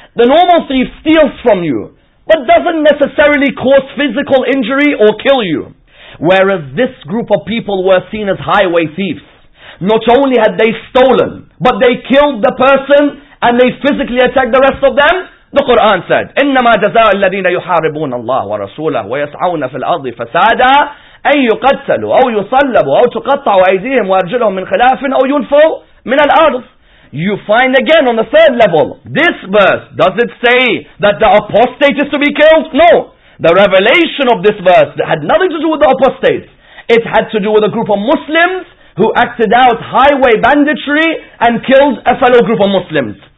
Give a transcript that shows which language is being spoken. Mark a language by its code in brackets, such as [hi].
[en] The normal thief steals from you, but doesn't necessarily cause physical injury or kill you. Whereas this group of people were seen as highway thieves. Not only had they stolen, but they killed the person and they physically attacked the rest of them. The Quran said, [ar] إِنَّمَا جَزَاءَ الَّذِينَ يُحَارِبُونَ اللَّهُ وَرَسُولَهُ وَيَسْعَوْنَ فِي الْأَرْضِ فَسَادًا أَنْ يُقَتَّلُوا أَوْ يُصَلَّبُوا أَوْ تُقَطَّعُوا أَيْدِيهِمْ وَأَرْجُلُهُمْ مِنْ خِلَافٍ أَوْ يُنْفَوْا مِنَ الْأَرْضِ. [en] You find again on the third level, this verse, does it say that the apostate is to be killed? No. The revelation of this verse had nothing to do with the apostates. It had to do with a group of Muslims who acted out highway banditry and killed a fellow group of Muslims.